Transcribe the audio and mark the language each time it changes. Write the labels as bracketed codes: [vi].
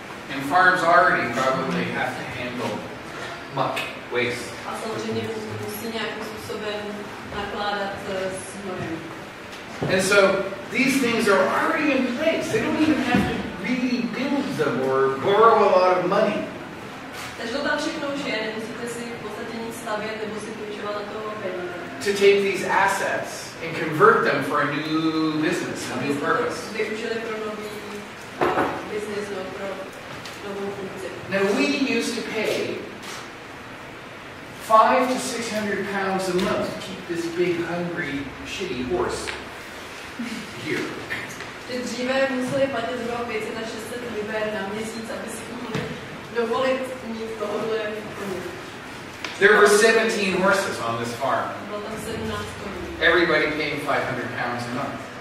[en] And farms already probably have to handle muck, waste. [cs] A samozřejmě musí nějakým způsobem nakládat s mlhem. [en] And so these things are already in place. They don't even have to really build them or borrow a lot of money. [cs] Takže to tam všechno už je, nemusíte si v podstatě nic stavět nebo si půjčovat na toho peníze. [en] To take these assets and convert them for a new business, a new purpose. [cs] Využili pro nový business, no, pro novou funkci. [en] Now we used to pay 500 to 600 pounds a month to keep this big, hungry, shitty horse here. [cs] Ty dříve museli platit zhruba 500 až 600 liber na měsíc, aby si mohli dovolit mít tohle koně. [en] There were 17 horses on this farm. [cs] Bylo tam 17 koní. [en] Everybody paying 500 pounds a month.